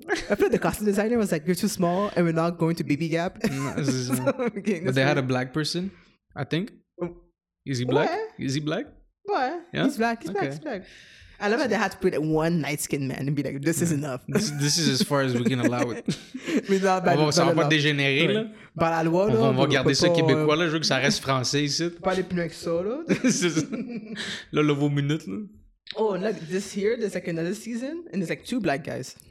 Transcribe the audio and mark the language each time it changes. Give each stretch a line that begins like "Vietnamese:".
English: I feel like the costume designer was like, you're too small and we're not going to BB Gap. had a black person, I think. Is he black? What? Is he black? What? Yeah? He's black. I love that they had to put one light skinned man and be like, this is enough. This is as far as we can allow it.
French: Mais non, on va s'en pas dégénérer, là. Par la loi, là. On va garder ça québécois, là. Je veux que ça reste français ici. Pas les pneus avec ça, là. C'est ça. Là, vos minutes, là.
English: Oh, and look, this year, there's like another season, and there's like two black guys.